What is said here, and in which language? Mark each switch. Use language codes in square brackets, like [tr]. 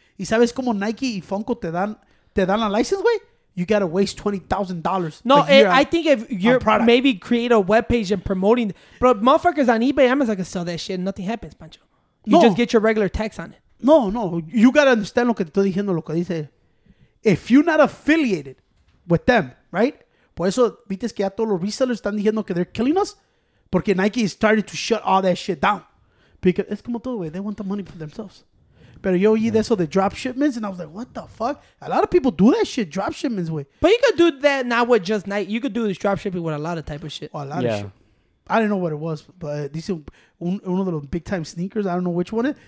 [es] ¿Y sabes cómo Nike y Funko te dan la license, güey? [en] You gotta waste $20,000. No, I think if you're maybe create a webpage and promoting, bro, motherfuckers on eBay, Amazon can sell that shit. Nothing happens, Pancho. Just get your regular tax on it. No, no. You gotta understand [es] lo que te estoy diciendo, lo que dice. [en] If you're not affiliated with them, right? [es] Por eso, ¿viste que ya todos los resellers están diciendo que [en] they're killing us? [es] Porque [en] Nike is starting to shut all that shit down. Because it's [es] como todo, güey. [en] They want the money for themselves. [es] Pero yo oí de eso de [en] drop shipments, and I was like, what the fuck? A lot of people do that shit, drop shipments, güey. But you could do that not with just Nike. You could do this drop shipping with a lot of type of shit. Oh, a lot of shit. I didn't know what it was, but this is one of the big time sneakers. I don't know which one.